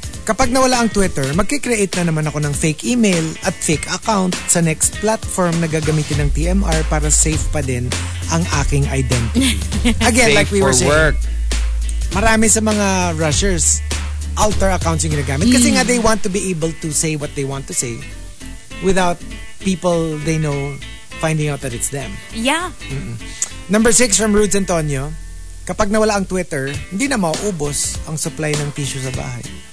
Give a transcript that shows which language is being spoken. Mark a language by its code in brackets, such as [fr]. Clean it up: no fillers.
[tl] Kapag nawala ang Twitter, magkikreate na naman ako ng [en] fake email [tl] at [en] fake account [tl] sa [en] next platform [tl] na gagamitin ng TMR para safe pa din ang aking identity. [en] Again, safe like we were saying, work. [tl] Marami sa mga rushers, alter accounts yung ginagamit. Kasi nga, [en] they want to be able to say what they want to say without people they know finding out that it's them. Yeah. Mm-mm. Number 6 from Rudes Antonio. [tl] Kapag nawala ang Twitter, hindi na mauubos ang supply ng tissue sa bahay.